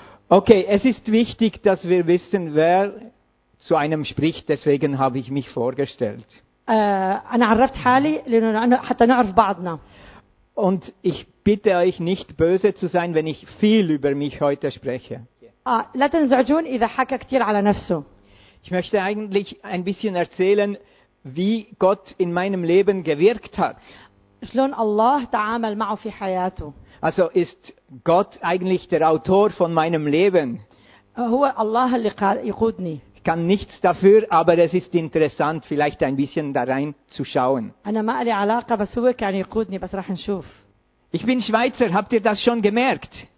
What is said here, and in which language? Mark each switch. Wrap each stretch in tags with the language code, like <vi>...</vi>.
<de>Okay, es ist wichtig, dass wir wissen, wer zu einem spricht, deswegen habe ich mich vorgestellt. Und ich bitte euch nicht böse zu sein, wenn ich viel über mich heute spreche.</de> <ar>لا تنزعجون إذا حكى كثير على نفسه.</ar> <de>Ich möchte eigentlich ein bisschen erzählen, wie Gott in meinem Leben gewirkt hat.</de> <ar>شلون الله تعامل معه في حياته.</ar> <de>Also ist Gott eigentlich der Autor von meinem Leben.</de> <ar>هو الله اللي يقودني.</ar> <de>Ich kann nichts dafür, aber es ist interessant, vielleicht ein bisschen da rein zu schauen.</de> <ar>أنا ما لي علاقة بس هو كان يقودني بس راح نشوف.</ar> <de>Ich bin Schweizer, habt ihr das schon gemerkt?</de>